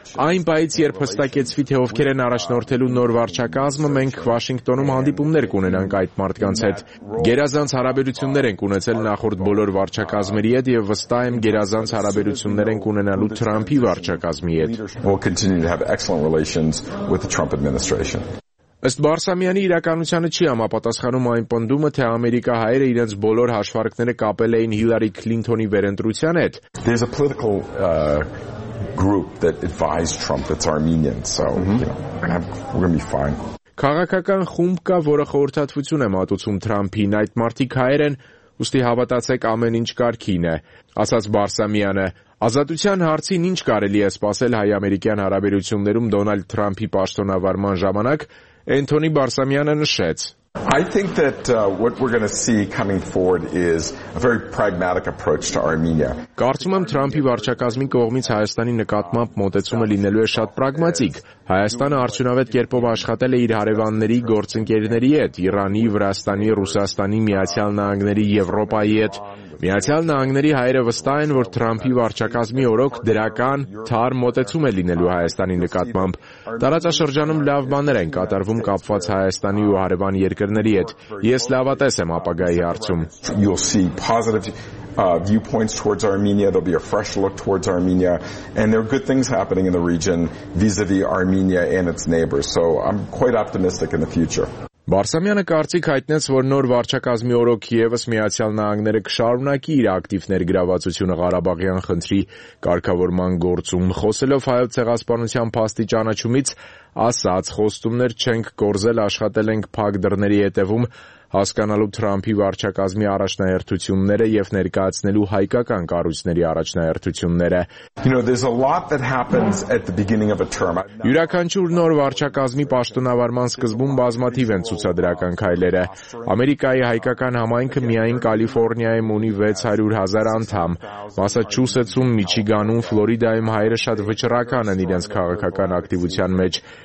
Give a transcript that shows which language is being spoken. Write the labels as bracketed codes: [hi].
[hy] Այն պայից, երբ հստակեցվի, թե ովքեր են առաջնորդելու նոր վարչակազմը, մենք Վաշինգտոնում հանդիպումներ կունենանք այդ մարդկանց հետ։ Գերազանց հարաբերություններ ենք ունեցել նախորդ բոլոր վարչակազմերի հետ եւ վստահ եմ գերազանց հարաբերություններ ենք ունենալու Թրամփի վարչակազմի հետ։ Ըստ Բարսամյանի, իրականությունը չի համապատասխանում այն պնդումը, թե Ամերիկա հայերը իրենց բոլոր հաշվարկները կապել էին Հիլարի Քլինթոնի վերընտրության հետ։ [en] There's a political group that advised Trump that's Armenian, so we're going to be fine. [hy] Քաղաքական խումբ կա, որը խորհրդատվություն է մատուցում Թրամփին, այդ մարդիկ հայեր են, ուստի հավատացեք, ամեն ինչ կարգին է, ասաց Բարսամյանը։ Ազատության հարցին ինչ կարելի է սպասել հայ-ամերիկյան հարաբերություններում Դոնալդ Թրամփի պաշտոնավարման ժամանակ, Էնթոնի Բարսամյանը նշեց. [en] I think that what we're going to see coming forward is a very pragmatic approach to Armenia. [hy] Կարծում եմ Թրամփի վարչակազմի կողմից Հայաստանի նկատմամբ մոտեցումը լինելու է շատ պրագմատիկ։ Հայաստանը արդյունավետ կերպով աշխատել է իր հարևանների գործընկերների հետ, Իրանի, Վրաստանի, Ռուսաստանի, Միացյալ Նահանգների, Եվրոպայի հետ։ Միացյալ Նահանգների հայերը վստահ են, որ Թրամփի վարչակազմի օրոք դրական, թար մոտեցում է լինելու Հայաստանի նկատմամբ։ Տարածաշրջանում լավ բաներ են կատարվում կապված Հայաստանի ու հարևան երկրների հետ։ Ես լավատես եմ ապագայի հարցում։ [en] You'll see positive viewpoints towards Armenia, there'll be a fresh look towards Armenia, and there are good things happening in the region vis-a-vis Armenia and its neighbors. So I'm quite optimistic in the future. [hy] Բարսամյանը կարծիք հայտնեց, որ նոր վարչակազմի օրոք ևս Միացյալ Նահանգները կշարունակի իր ակտիվ ներգրավվածությունը Ղարաբաղյան խնդրի կարգավորման գործում։ Խոսելով հայոց ցեղասպանության փաստի ճանաչումից, ասաց. «Խոստումներ չենք կորզել, աշխատել ենք փակ դռների հետևում, հասկանալու Թրամփի վարչակազմի առաջնահերթությունները եւ ներկայացնելու հայկական կառույցների առաջնահերթությունները»։ [en] You know, there's a lot that happens at the beginning of a term. [hy] Յուրաքանչյուր նոր վարչակազմի պաշտոնավարման սկզբում բազմաթիվ են ցուցադրական քայլերը։ Ամերիկայի հայկական համայնքը միայն Կալիֆոռնիայում ունի 600 000 անդամ, Մասաչուսեթսում, Միչիգանում, Ֆլորիդայում հայերը շատ վճռական են իրենց քաղաքական ակտիվության մեջ։